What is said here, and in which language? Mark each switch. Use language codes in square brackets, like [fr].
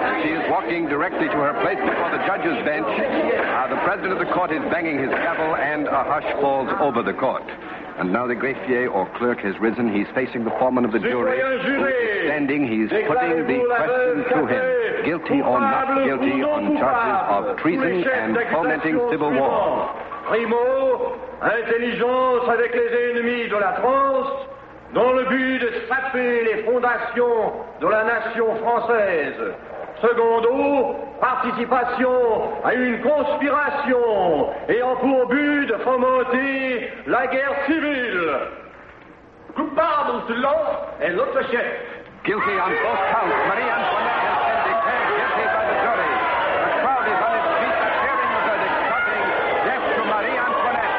[en] She is walking directly to her place before the judge's bench. The president of the court is banging his gavel, and a hush falls over the court. And now the greffier, or clerk, has risen. He's facing the foreman of the jury. He's standing. He's putting the question to him. Guilty or not guilty on charges of treason and fomenting civil war. [fr] Primo, intelligence avec les ennemis de la France dans le but de saper les fondations de la nation française. Secondo, participation à une conspiration ayant pour but de fomenter la guerre civile. Coupable de l'eau et l'autre chef. [en] Guilty on both counts. Marie Antoinette has been declared guilty by the jury. The crowd is on its feet, cheering the verdict, shouting death to Marie Antoinette.